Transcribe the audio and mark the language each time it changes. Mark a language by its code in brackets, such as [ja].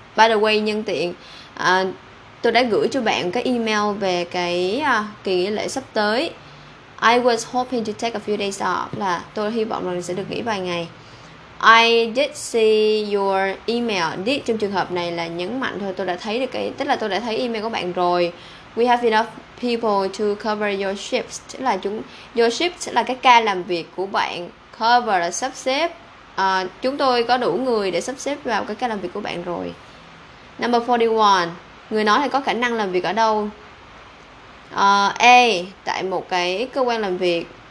[en] By the way, [vi] nhân tiện, tôi đã gửi cho bạn cái email về cái kỳ nghỉ lễ sắp tới. [en] I was hoping to take a few days off, [vi] là tôi hy vọng là mình sẽ được nghỉ vài ngày. [en] I did see your email. [vi] Did trong trường hợp này là nhấn mạnh thôi, tôi đã thấy được cái, tức là tôi đã thấy email của bạn rồi. [en] We have enough people to cover your shifts. [vi] Tức là chúng, [en] your shifts [vi] sẽ là cái ca làm việc của bạn. Cover là sắp xếp. Chúng tôi có đủ người để sắp xếp vào cái ca làm việc của bạn rồi. [en] Number 41. [vi] Người nói là có khả năng làm việc ở đâu? A. Tại một cái cơ quan làm việc.